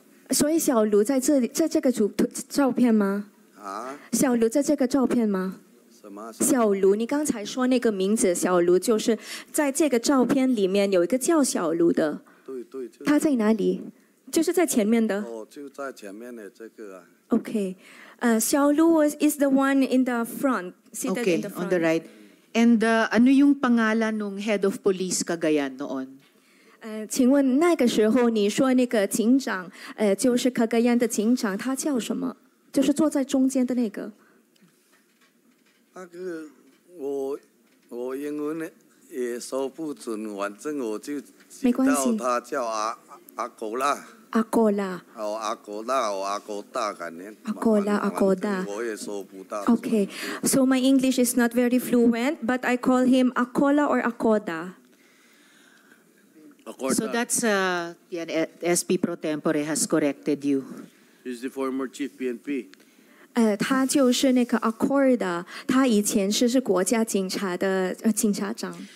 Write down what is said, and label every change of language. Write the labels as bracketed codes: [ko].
[zh] 所以小卢在这里，在这个主照片吗？啊？小卢在这个照片吗？小卢，你刚才说那个名字小卢，就是在这个照片里面有一个叫小卢的。对对，就是、他在哪里？就是在前面的。哦，就在前面的这个啊。 [en] Okay, Xiao Lu is the one in the front, seated in the front. On the right. And [tl] ano yung pangalan ng [en] head of police Cagayan noon? [zh] 请问那个时候你说那个警长，就是 Cagayan 的警长，他叫什么？就是坐在中间的那个。那个我英文呢也说不准，反正我就。没关系，他叫阿狗啦。阿狗啦。哦，阿狗啦，哦，阿狗大，感觉。阿狗啦，阿狗大。我也说不大。 [en] Okay, so my English is not very fluent, but I call him Akola or Akoda. Akoda. So that's SP Pro Tempore has corrected you. He's the former chief PNP. [zh] 他就是那个 Akoda， 他以前是国家警察的警察长。